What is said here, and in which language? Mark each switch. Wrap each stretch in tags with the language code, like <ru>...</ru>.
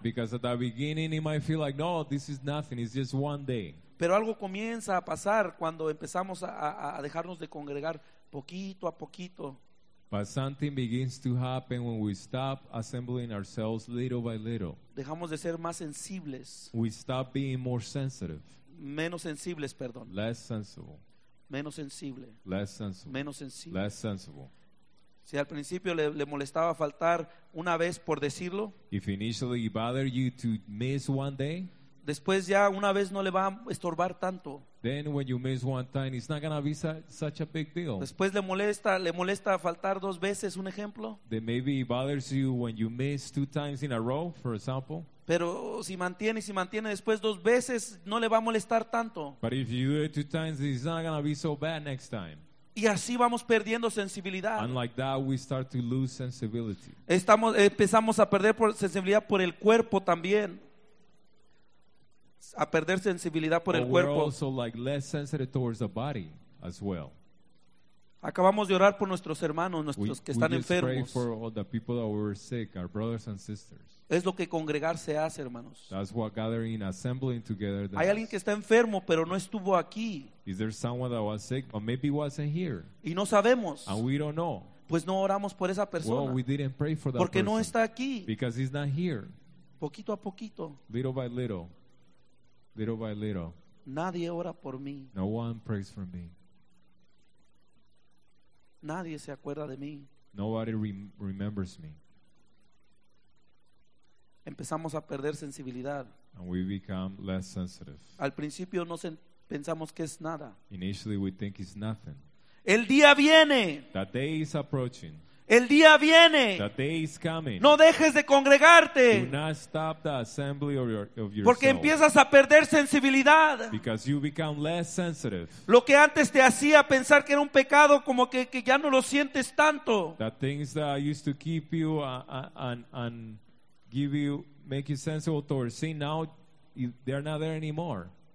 <en>Because at the beginning it might feel like, no, this is nothing, it's just one day.</en> <es>Pero algo comienza a pasar cuando empezamos a dejarnos de congregar poquito a poquito.</es> <en>But something begins to happen when we stop assembling ourselves little by little.</en> <es>Dejamos de ser más sensibles.</es> <en>We stop being more sensitive.</en> <es>Menos sensibles, perdón.</es> <en>Less sensible.</en> <es>menos sensible,</es> <en>less sensible,</en> <es>menos sensible,</es> <en>less sensible.</en> <es>Si al principio le molestaba faltar una vez por decirlo,</es> <en>if initially it bothered you to miss one day,</en> <es>después ya una vez no le va a estorbar tanto.</es> <en>Then when you miss one time, it's not gonna be such a big deal.</en> <es>Después le molesta faltar dos veces, un ejemplo.</es> <en>Then maybe it bothers you when you miss two times in a row, for example.</en> <es>Pero si mantiene después dos veces, no le va a molestar tanto.</es> <en>But if you do it two times, it's not gonna be so bad next time.</en> <es>Y así vamos perdiendo sensibilidad.</es> <en>And like that, we start to lose sensibility.</en> <es>Empezamos a perder por sensibilidad por el cuerpo también. A perder sensibilidad por el cuerpo.</es> <en>We're also like less sensitive towards the body as well.</en> <es>Acabamos de orar por nuestros hermanos, nuestros que están enfermos.</es> <en>We just pray for all the people that were sick, our brothers and sisters.</en> <es>Es lo que congregarse hace, hermanos.</es> <en>That's what gathering, assembling together does.</en> <es>Hay alguien que está enfermo, pero no estuvo aquí.</es> <en>Is there someone that was sick, but maybe wasn't here?</en> <es>Y no sabemos.</es> <en>And we don't know.</en> <es>Pues no oramos por esa persona.</es> <en>Well, we didn't pray for that</en> <es>porque</es> <en>person.</en> <es>No está aquí.</es> <en>Because he's not here.</en> <es>Poquito a poquito.</es> <en>Little by little. Little by little.</en> <es>Nadie ora por mí.</es> <en>No one prays for me.</en> <es>Nadie se acuerda de mí.</es> <en>Nobody remembers me.</en> <es>Empezamos a perder sensibilidad.</es> <en>And we become less sensitive.</en> <es>Al principio no pensamos que es nada.</es> <en>Initially we think it's nothing.</en> <es>El día viene.</es> <en>The day is approaching.</en> <es>El día viene.</es> <en>The day is coming.</en> <es>No dejes de congregarte.</es> <en>Do not stop the assembly of yourself.</en> <es>Porque empiezas a perder sensibilidad.</es> <en>Because you become less sensitive.</en> <es>Lo que antes te hacía pensar que era un pecado, como que ya no lo sientes tanto.</es> <en>The things that used to keep you and give you, make you sensible towards sin, now they're not there anymore.</en>